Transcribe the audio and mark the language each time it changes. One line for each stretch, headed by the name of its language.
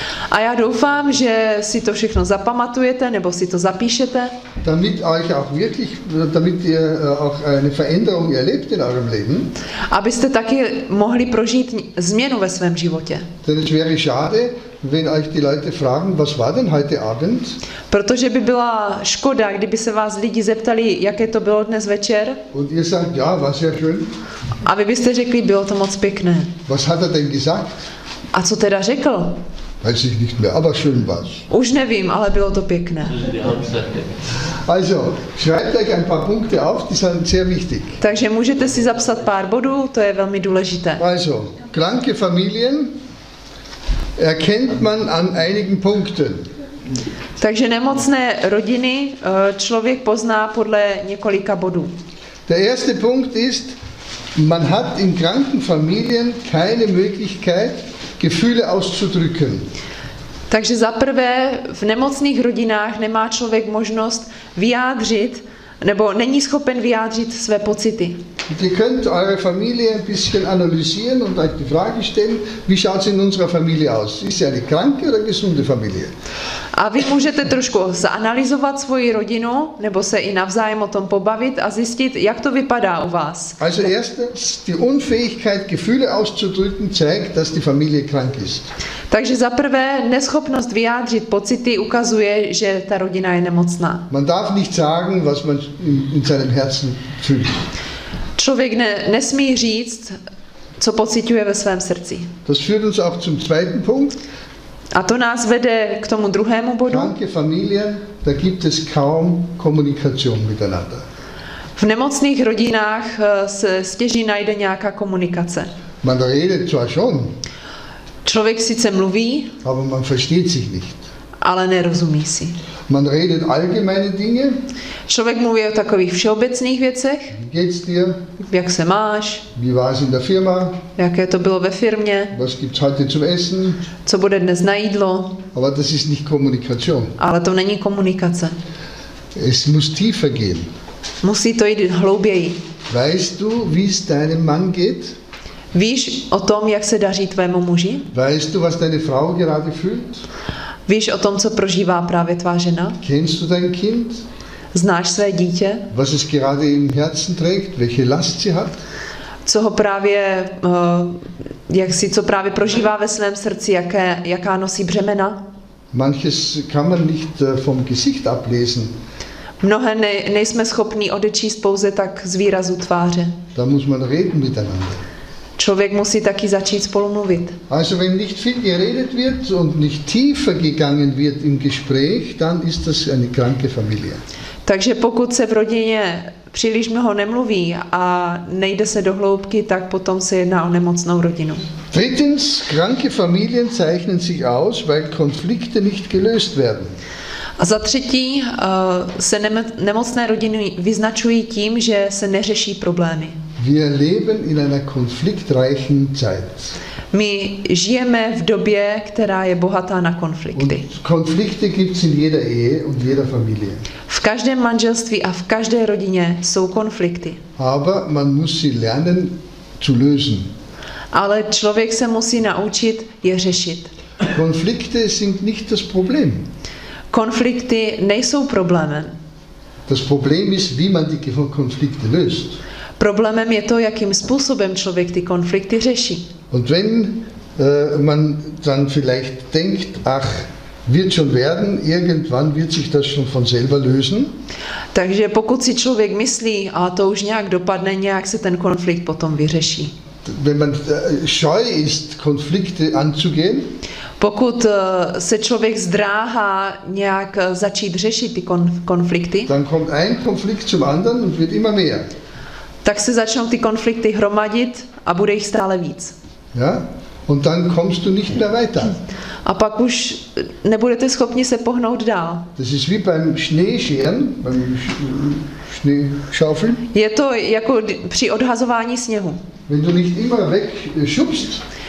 Czech: A já doufám, že si to všechno zapamatujete nebo si to zapíšete.
German: Damit euch auch wirklich, damit ihr auch eine Veränderung erlebt in eurem Leben.
Czech: Abyste taky mohli prožít změnu ve svém životě.
German: Denn es wäre schade, wenn euch die Leute fragen, was war denn heute Abend?
Czech: Protože by byla škoda, kdyby se vás lidi zeptali, jaké to bylo dnes večer.
German: Und ihr sagt, ja, war sehr schön.
Czech: A vy byste řekli, bylo to moc pěkné.
German: Was hat er denn gesagt?
Czech: A co teda řekl?
German: Weiß ich nicht mehr, aber schön war's.
Czech: Už nevím, ale bylo to pěkné.
German: Also, schreibt euch ein paar Punkte auf, die sind sehr wichtig.
Czech: Takže můžete si zapsat pár bodů, to je velmi důležité.
German: Also, kranke Familien erkennt man an einigen Punkten.
Czech: Takže nemocné rodiny člověk pozná podle několika bodů.
German: Der erste Punkt ist, man hat in kranken Familien keine Möglichkeit, Gefühle auszudrücken.
Czech: Takže za prvé, v nemocných rodinách nemá člověk možnost vyjádřit, nebo není schopen vyjádřit své pocity.
German: Ihr könnt eure Familie ein bisschen analysieren und euch die Frage stellen, wie schaut es in unserer Familie aus? Ist sie eine kranke oder gesunde Familie?
Czech: A vy můžete trošku zanalyzovat svoji rodinu, nebo se i navzájem o tom pobavit a zjistit, jak to vypadá u vás.
German: Also erstens, die Unfähigkeit, Gefühle auszudrücken, zeigt, dass die Familie krank ist.
Czech: Takže za prvé, neschopnost vyjádřit pocity ukazuje, že ta rodina je nemocná.
German: Man darf nicht sagen, was man in seinem Herzen fühlt.
Czech: Člověk nesmí říct, co pociťuje ve svém srdci.
German: Das führt uns auch zum zweiten Punkt.
Czech: A to nás vede k tomu druhému bodu.
German: Kranke Familien, da gibt es kaum Kommunikation miteinander.
Czech: V nemocných rodinách se stěží najde nějaká komunikace.
German: Man redet zwar schon.
Czech: Člověk sice mluví,
German: aber man versteht sich nicht.
Czech: Ale nerozumí si.
German: Man redet allgemeine Dinge.
Czech: Člověk mluví o takových všeobecných věcech.
German: Geht's dir?
Czech: Jak se máš?
German: Wie war's in der Firma?
Czech: Jaké to bylo ve firmě?
German: Was gibt's heute zum Essen?
Czech: Co bude dnes na jídlo?
German: Aber das ist nicht Kommunikation.
Czech: Ale to není komunikace.
German: Es muss tiefer gehen.
Czech: Musí to jít hlouběji.
German: Weißt du, wie es deinem Mann geht?
Czech: Víš o tom, jak se daří tvému muži?
German: Weißt du, was deine Frau gerade fühlt?
Czech: Víš o tom, co prožívá právě tvá žena?
German: Kennst du dein Kind?
Czech: Znáš své dítě?
German: Was es gerade im Herzen trägt, welche Last sie hat?
Czech: Co ho právě, jak si, co právě prožívá ve svém srdci, jaká nosí břemena?
German: Manches kann man nicht vom Gesicht ablesen.
Czech: Mnohé nejsme schopni odečíst pouze tak z výrazu tváře.
German: Da muss man reden miteinander.
Czech: Člověk musí taky začít spolu mluvit.
German: Also wenn nicht viel geredet wird und nicht tiefer gegangen wird im Gespräch, dann ist das eine kranke Familie.
Czech: Takže pokud se v rodině příliš mnoho nemluví a nejde se do hloubky, tak potom se jedná o nemocnou rodinu.
German: Drittens, kranke Familien zeichnen sich aus, weil Konflikte nicht gelöst werden.
Czech: A za třetí, se nemocné rodiny vyznačují tím, že se neřeší problémy.
German: Wir leben in einer konfliktreichen Zeit.
Czech: My žijeme v době, která je bohatá na konflikty.
German: Und Konflikte gibt's in jeder Ehe und jeder Familie.
Czech: V každém manželství a v každé rodině jsou konflikty.
German: Aber man muss sie lernen zu lösen.
Czech: Ale člověk se musí naučit je řešit.
German: Konflikte sind nicht das Problem.
Czech: Konflikty nejsou problémem.
German: Das Problem ist, wie man die Konflikte löst.
Czech: Problémem je to, jakým způsobem člověk ty konflikty řeší.
German: Und wenn man dann vielleicht denkt, ach, wird schon werden, irgendwann wird sich das schon von selber lösen.
Czech: Takže pokud si člověk myslí, a to už nějak dopadne, nějak se ten konflikt potom vyřeší.
German: wenn man scheu ist, Konflikte anzugehen,
Czech: pokud se člověk zdráhá nějak začít řešit ty konflikty,
German: dann kommt ein Konflikt zum anderen und wird immer mehr.
Czech: Tak se začnou ty konflikty hromadit a bude jich stále víc.
German: Ja? Und dann kommst du nicht mehr weiter.
Czech: A pak už nebudete schopni se pohnout dál.
German: Das ist wie beim Schneescheren, beim Schneeschaufeln.
Czech: Je to jako při odhazování sněhu.
German: Wenn du nicht immer weg schubst,